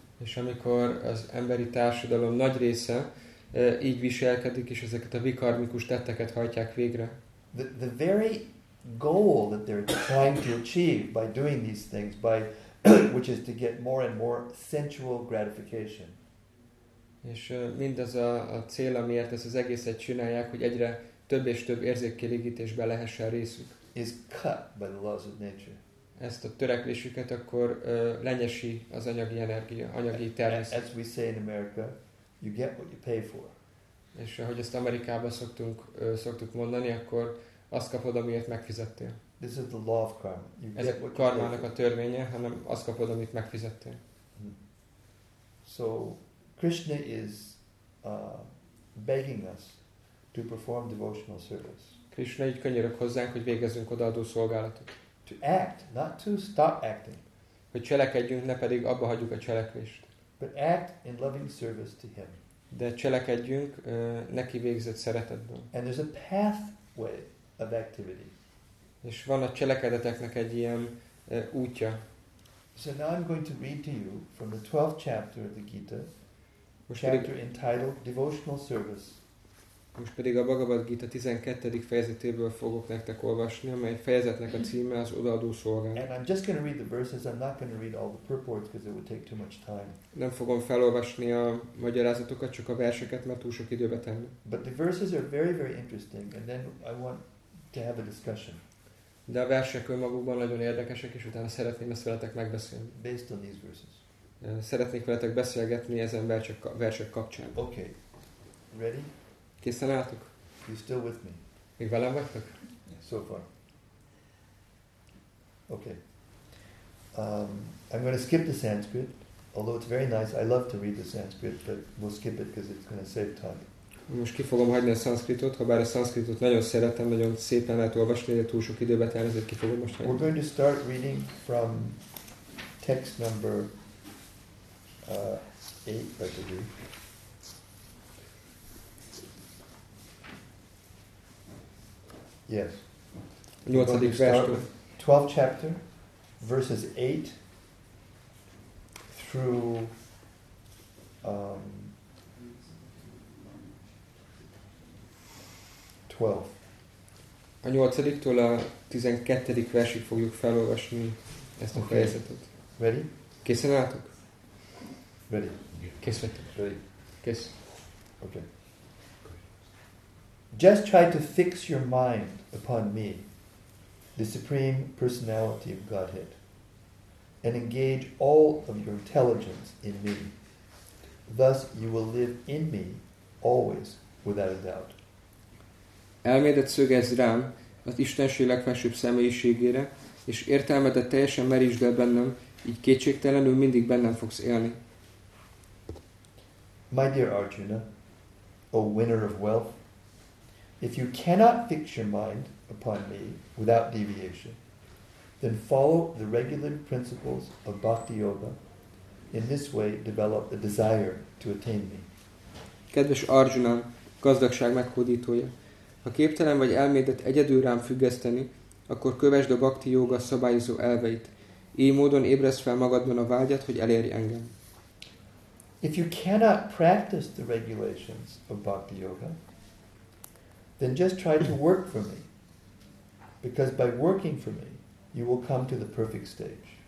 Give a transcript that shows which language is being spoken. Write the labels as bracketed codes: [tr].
[hu] És amikor az emberi társadalom nagy része így viselkedik, és ezeket a vikarmikus tetteket hajtják végre. [en] The very goal that they're trying to achieve by doing these things, by which is to get more and more sensual gratification. [hu] És mindez a cél, amiért ezt az egészet csinálják, hogy egyre több és több érzékkielégítésbe lehessen részük. [en] Is cut by the laws of nature. [hu] Ezt a törekvésüket akkor lenyesi az anyagi energia, anyagi természet. [en] As we say in America, you get what you pay for. [hu] És ahogy ezt Amerikában szoktuk mondani, akkor azt kapod, amiért megfizettél. [en] This is the law of karma. You [hu] ez [en] get [hu] a karmának a törvénye, hanem azt kapod, amit megfizettél. [en] So Krishna is begging us to perform devotional service. [hu] Krishna így könyörög hozzánk, hogy végezzünk odaadó szolgálatot. [en] To act, not to stop acting. [hu] Hogy cselekedjünk, ne pedig abba hagyjuk a cselekvést. [en] But act in loving service to him. [hu] De cselekedjünk neki végzett szeretetből. [en] And there's a pathway of activity. [hu] És van a cselekedeteknek egy ilyen útja. [en] So now I'm going to read to you from the 12th chapter of the Gita, chapter entitled Devotional Service. [hu] Most pedig a Bhagavad Gita 12. Fejezetéből fogok nektek olvasni, amely fejezetnek a címe az odaadó szolgálat. [en] And I'm just going to read the verses. I'm not going to read all the purports because it would take too much time. [hu] Nem fogom felolvasni a magyarázatokat, csak a verseket, mert túl sok időbe tenni. [en] But the verses are very, very interesting, and then I want to have a discussion. [hu] De a versek önmagukban nagyon érdekesek, és utána szeretném ezt veletek megbeszélni. [en] Based on these verses. [hu] Szeretnék veletek beszélgetni ezen versek kapcsán. [en] Okay. Ready? [hu] Készen álltok? [en] You still with me? [hu] Még velem vagytok? [en] So far. Okay. I'm going to skip the Sanskrit, although it's very nice. I love to read the Sanskrit, but we'll skip it because it's going to save time. [hu] Most ki fogom hagyni a szanszkritot, ha bár a szanszkritot nagyon szeretem, nagyon szépen lehet olvasni, de túl sok időbe telt, ezért ki fogom most hagyni. [en] We're going to start reading from text number 8, I believe. Yes. [hu] 8. verstől. [en] 12 chapter, verses 8 through 12. [hu] A 8-tól a 12. versig fogjuk felolvasni ezt a fejezetet. [en] Ready? [hu] Készen álltok? [en] Ready. [hu] Kész vagytok. [en] Ready. [hu] Kész. [en] Okay. Just try to fix your mind upon me, the Supreme Personality of Godhead, and engage all of your intelligence in me. Thus you will live in me always without a doubt. [hu] Elmédet szögezz rám az Istenség legfelsőbb személyiségére, és értelmedet teljesen merítsd el bennem, így kétségtelenül mindig bennem fogsz élni. [en] My dear Arjuna, O winner of wealth, if you cannot fix your mind upon me without deviation, then follow the regular principles of Bhakti Yoga. In this way, develop the desire to attain me. [hu] Kedves Arjuna, gazdagság meghódítója, ha képtelen vagy elmédet egyedül rám függeszteni, akkor kövesd a Bhakti Yoga szabályozó elveit. Így módon ébresz fel magadban a vágyat, hogy elérj engem. [en] If you cannot practice the regulations of Bhakti Yoga, then just try to work for me. Because by working for me, you will come to the perfect stage.